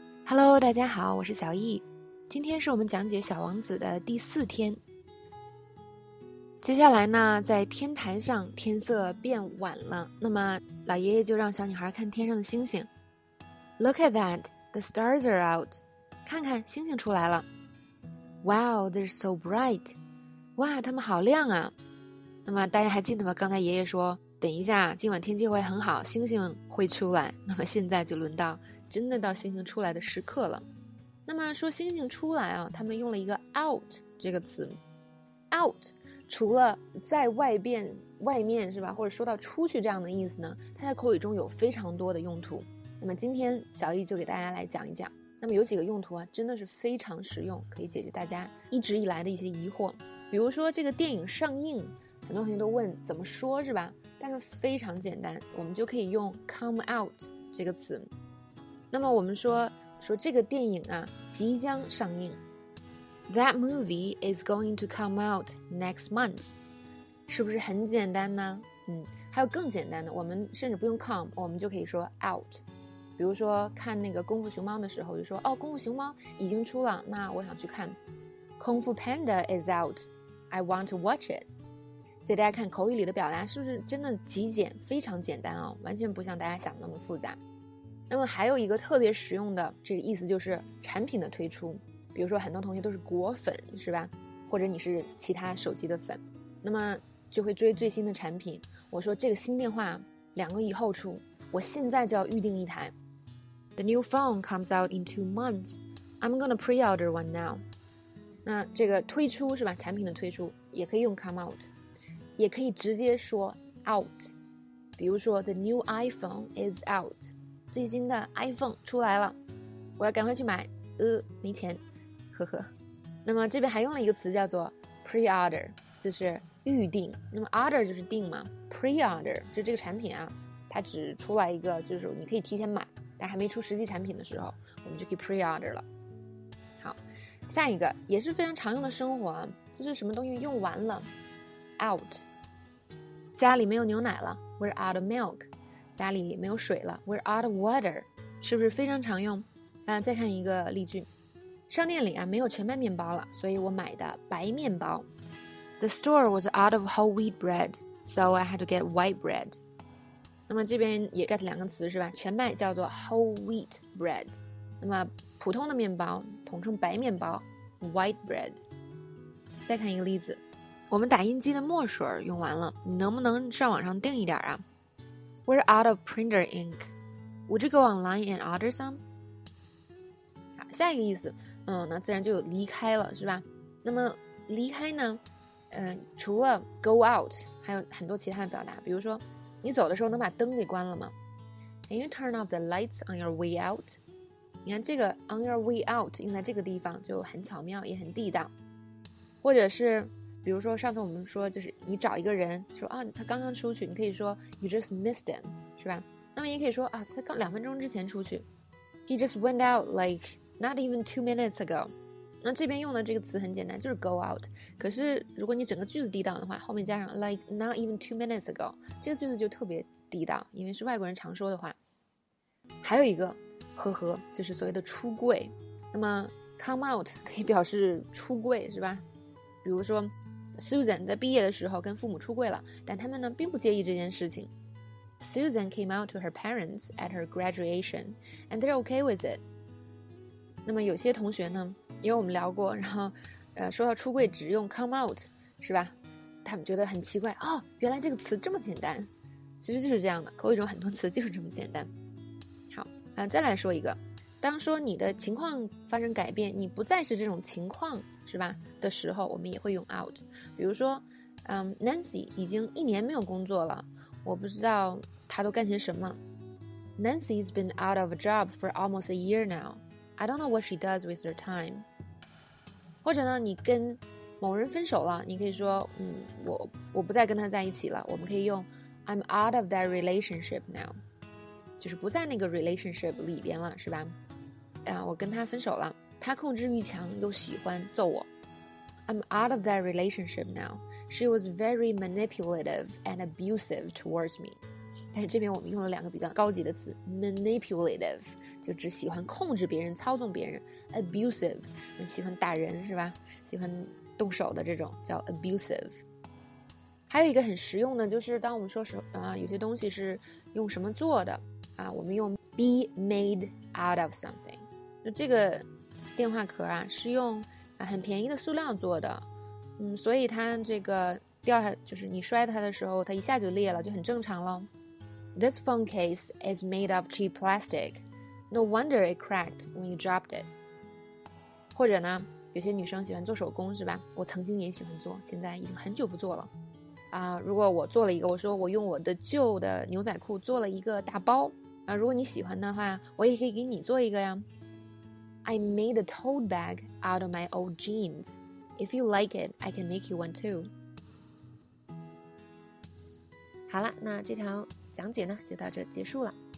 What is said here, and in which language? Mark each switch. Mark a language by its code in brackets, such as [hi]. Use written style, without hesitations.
[zh] Hello， 大家好，我是小易。今天是我们讲解《小王子》的第四天。接下来呢，在天台上天色变晚了，那么老爷爷就让小女孩看天上的星星。 [en] Look at that, the stars are out. [zh] 看看，星星出来了。 [en] Wow, they're so bright. [zh] 哇，它们好亮啊。那么大家还记得吗？刚才爷爷说，等一下，今晚天气会很好，星星会出来。那么现在就轮到真的到星星出来的时刻了。那么说星星出来啊，他们用了一个 out 这个词。 out 除了在外面是吧，或者说到出去这样的意思呢，它在口语中有非常多的用途。那么今天小易就给大家来讲一讲，那么有几个用途啊，真的是非常实用，可以解决大家一直以来的一些疑惑。比如说这个电影上映，很多同学都问怎么说是吧，但是非常简单，我们就可以用 come out 这个词。那么我们说这个电影啊即将上映。 [en] That movie is going to come out next month. [zh] 是不是很简单呢？还有更简单的，我们甚至不用 come， 我们就可以说 out。比如说看那个功夫熊猫的时候就说，哦，功夫熊猫已经出了，那我想去看。 [en] Kung Fu Panda is out. I want to watch it. [zh] 所以大家看口语里的表达是不是真的极简，非常简单哦，完全不像大家想的那么复杂。那么还有一个特别实用的这个意思就是产品的推出，比如说很多同学都是果粉是吧，或者你是其他手机的粉，那么就会追最新的产品。我说这个新电话两个以后出，我现在就要预定一台。 [en] The new phone comes out in 2 months. I'm gonna pre-order one now. [zh] 那这个推出是吧，产品的推出也可以用 come out， 也可以直接说 out。比如说 [en] The new iPhone is out. [zh] 最新的 iPhone 出来了，我要赶快去买，没钱，呵呵。那么这边还用了一个词叫做 pre-order， 就是预定。那么 order 就是定嘛， pre-order 就是这个产品啊，它只出来一个，就是你可以提前买，但还没出实际产品的时候，我们就可以 pre-order 了。好，下一个也是非常常用的生活，就是什么东西用完了， out。家里没有牛奶了， [en] we're out of milk。 [zh] 家里没有水了， [en] we're out of water， [zh] 是不是非常常用？再看一个例句，商店里啊没有全麦面包了，所以我买的白面包。 [en] The store was out of whole wheat bread, so I had to get white bread. [zh] 那么这边也 get 两个词是吧，全麦叫做 whole wheat bread， 那么普通的面包统称白面包， white bread。再看一个例子，我们打印机的墨水用完了，你能不能上网上订一点啊？ [en] We're out of printer ink. Would you go online and order some? [zh] 好，下一个意思，那自然就有离开了，是吧？那么离开呢？除了 go out， 还有很多其他的表达，比如说，你走的时候能把灯给关了吗？ [en] Can you turn off the lights on your way out? [zh] 你看这个 on your way out 用在这个地方就很巧妙，也很地道。或者是比如说上次我们说就是你找一个人说啊他刚刚出去，你可以说 [en] you just missed him [zh] 是吧，那么也可以说啊他刚两分钟之前出去， [en] he just went out like not even 2 minutes ago。 [zh] 那这边用的这个词很简单，就是 go out， 可是如果你整个句子地道的话，后面加上 [en] like not even 2 minutes ago， [zh] 这个句子就特别地道，因为是外国人常说的话。还有一个呵呵，就是所谓的出柜。那么 come out 可以表示出柜是吧，比如说Susan 在毕业的时候跟父母出柜了，但他们呢并不介意这件事情。 [en] Susan came out to her parents at her graduation and they're okay with it. [zh] 那么有些同学呢，因为我们聊过，然后说到出柜只用 come out 是吧，他们觉得很奇怪，哦，原来这个词这么简单。其实就是这样的，口语中很多词就是这么简单。好，再来说一个，当说你的情况发生改变，你不再是这种情况是吧的时候，我们也会用 out。比如说Nancy 已经一年没有工作了，我不知道她都干些什么。 [en] Nancy's been out of a job for almost a year now. I don't know what she does with her time. [zh] 或者呢你跟某人分手了，你可以说我不再跟他在一起了，我们可以用 [en] I'm out of that relationship now， [zh] 就是不在那个 relationship 里边了是吧，我跟他分手了，他控制欲强又喜欢揍我。 [en] I'm out of that relationship now. She was very manipulative and abusive towards me. [zh] 但是这边我们用了两个比较高级的词， [en] manipulative [zh] 就就只喜欢控制别人，操纵别人， abusive， 喜欢打人是吧，喜欢动手的这种叫 abusive。还有一个很实用的，就是当我们说什么、有些东西是用什么做的啊，我们用 [en] be made out of something。 [zh] 就这个电话壳啊是用很便宜的塑料做的，所以它这个掉下，就是你摔它的时候它一下就裂了，就很正常了。 [en] This phone case is made of cheap plastic. No wonder it cracked when you dropped it. [zh] 或者呢，有些女生喜欢做手工是吧，我曾经也喜欢做，现在已经很久不做了啊。如果我做了一个，我说我用我的旧的牛仔裤做了一个大包啊，如果你喜欢的话，我也可以给你做一个呀。 [en] I made a tote bag out of my old jeans. If you like it, I can make you one too. [zh] 好了，那这条讲解呢，就到这结束了。